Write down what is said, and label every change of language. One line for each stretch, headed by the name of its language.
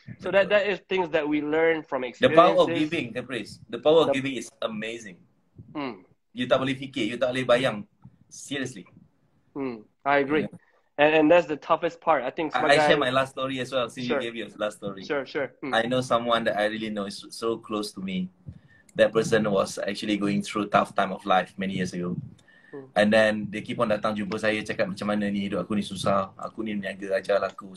English: So that is things that we learn from experience. The power of giving, Caprice. The power of giving is amazing.
Malay: You tak boleh fikir, you tak boleh bayang.
English: Seriously. I agree. Yeah. And that's the toughest part. I think I share my last story as well, since you gave your last story. Sure. I know someone that I really know is so close to me. That person was actually going through a tough time of life many years ago.
Malay: And then, dia keep on datang jumpa saya, cakap macam mana ni, hidup aku ni susah, aku ni meniaga, ajar aku.